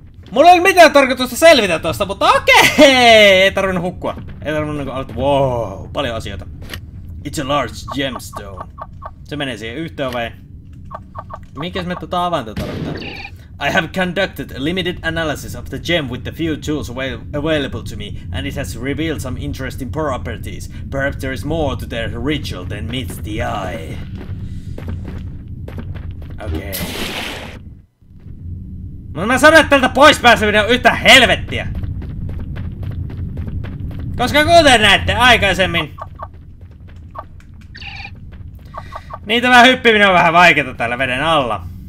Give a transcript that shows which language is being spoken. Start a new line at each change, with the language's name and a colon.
Finnish: Mulla ei ole mitään tarkoitusta selvitä tosta, mutta okei! Ei tarvinnut hukkua. Ei tarvinnut niinku aloittaa.
English: Wow,
Finnish: paljon asioita.
English: It's a large gemstone.
Finnish: Se menee siihen yhteen vai? Mikäs me tota avainta tarvitaan?
English: I have conducted a limited analysis of the gem with the few tools available to me, and it has revealed some interesting properties. Perhaps there is more to their ritual than meets the eye. Okei. Okay.
Finnish: Mutta mä sanon, että tältä pois pääseminen on yhtä helvettiä. Koska kuten näette aikaisemmin... Niin tämä hyppiminen on vähän vaikeeta täällä veden alla.